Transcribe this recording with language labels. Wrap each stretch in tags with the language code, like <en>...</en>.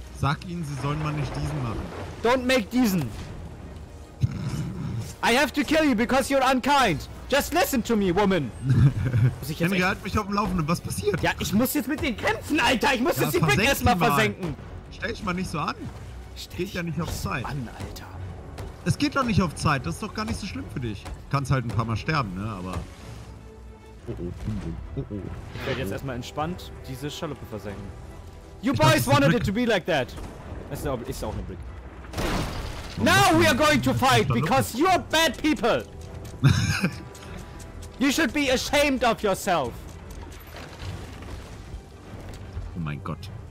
<de>Sag ihnen, sie sollen mal nicht diesen machen.</de> <en>Don't make diesen. I have to kill you because you're unkind. Just listen to me, woman.</en> <de>Henry, halt mich auf dem Laufenden. Was passiert? Ja, ich muss jetzt mit denen kämpfen, Alter. Ich muss ja, jetzt die Brücke erstmal versenken. Stell dich mal nicht so an. Geht ja nicht auf Zeit. Mann, Alter. Es geht doch nicht auf Zeit. Das ist doch gar nicht so schlimm für dich. Kannst halt ein paar Mal sterben, ne? Aber... Oh. Ich werde jetzt erstmal entspannt diese Schaluppe versenken.</de> <en>You boys wanted it to be like that.</en> <de>Das ist auch eine Brick.</de> <en>Now we are going to fight because you are bad people. You should be ashamed of yourself.</en> <de>Oh mein Gott.</de>